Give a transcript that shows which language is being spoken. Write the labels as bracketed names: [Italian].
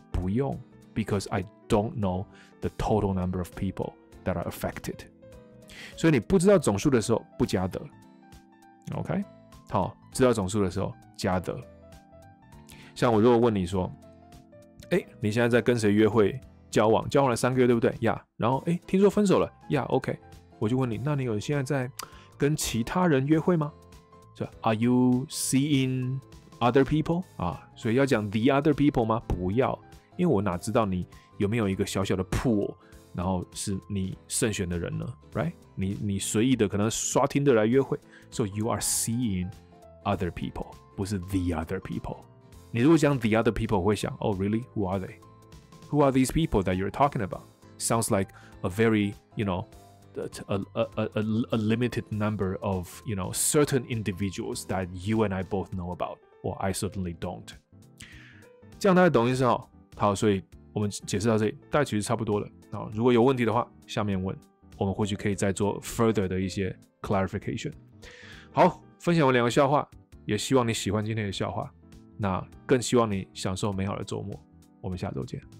[Chinese] 不用 [English] ，because I don't know the total number of people that are affected。 [Chinese] 所以你不知道总数的时候不加 the。 OK， 好，知道总数的时候加 the。像我如果问你说，哎，你现在在跟谁约会交往？交往了三个月，对不对？ Yeah， 然后哎，听说分手了。Yeah， OK， 我就问你，那你有现在在跟其他人约会吗？ [English] 是 Are you seeing other people？ [Chinese] 啊，所以要讲 [English] the other people 吗？ [Chinese] 不要，因为我哪知道你有没有一个小小的 pool， 然后是你慎选的人呢？ Right？ 你随意的可能刷听的来约会， [English] so you are seeing other people， [Chinese] 不是 the other people。你如果讲 [English] the other people， [Chinese] 会想 [English] ，Oh really? Who are they? Who are these people that you're talking about? Sounds like a very, you know, a limited number of, you know, certain individuals that you and I both know about. Well, I certainly don't. [Chinese] 这样大家懂意思哦？好，所以我们解释到这里，大概其实差不多了。如果有问题的话，下面问，我们或许可以再做 further 的一些 clarification。好，分享完两个笑话，也希望你喜欢今天的笑话。那更希望你享受美好的周末，我们下周见。